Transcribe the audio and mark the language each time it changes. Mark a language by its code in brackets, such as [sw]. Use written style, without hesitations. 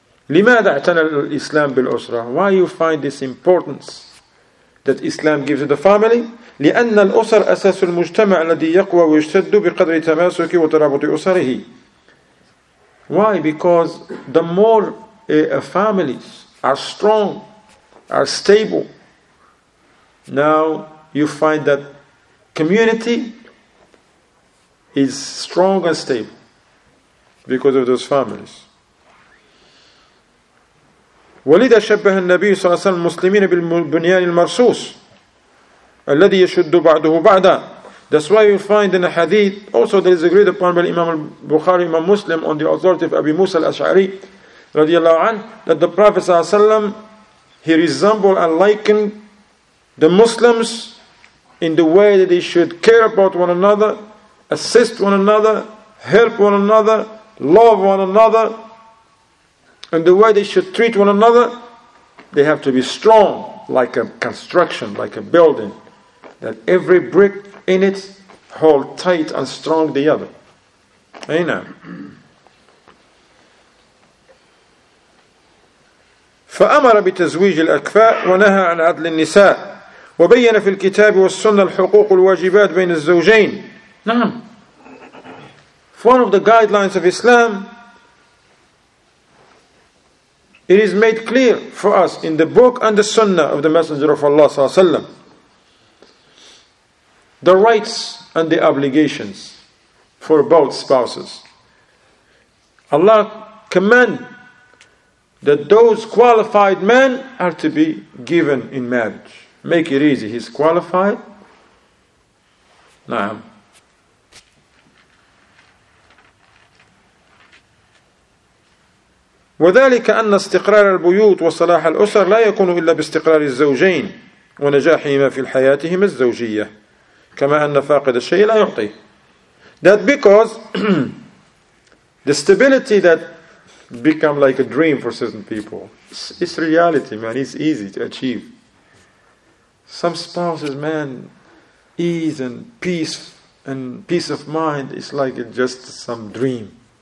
[ar] لماذا اعتنى الإسلام بالأسرة? [en] Why you find this importance that Islam gives to the family? [ar] لأن الأسر أساس المجتمع الذي يقوى ويشتد بقدر تماسك وترابط أسره. [en] Why? Because the more families are strong, are stable, now you find that community is strong and stable because of those families. [ar] ولذا شبه النبي صلى الله عليه وسلم المسلمين بالبنيان المرصوص الذي يشد بعضه بعضا. [en] That's why you find in a hadith, also there is agreed upon by Imam al-Bukhari, Imam Muslim, on the authority of Abi Musa al-Ash'ari, radiallahu anh, that the Prophet ﷺ, he resembled and likened the Muslims in the way that they should care about one another, assist one another, help one another, love one another, and the way they should treat one another. They have to be strong, like a construction, like a building, that every brick in it hold tight and strong the other. Amen. [ar] فأمر بتزويج الأكفاء ونهى عن عدل النساء وبين في الكتاب والسنة الحقوق والواجبات بين الزوجين. نعم. [en] One of the guidelines of Islam, it is made clear for us in the book and the sunnah of the Messenger of Allah sallallahu alaihi wasallam, the rights and the obligations for both spouses. Allah command that those qualified men are to be given in marriage. Make it easy. He's qualified. Naam. [ar] وذلك أن استقرار البيوت وصلاح الأسر لا يكون إلا باستقرار الزوجين ونجاحهما في حياتهما الزوجية. كما أن فاقد الشيء لا يعطي. [en] That because the stability that become like a dream for certain people, it's reality, man. It's easy to achieve. Some spouses, man, ease and peace of mind, it's like just some dream.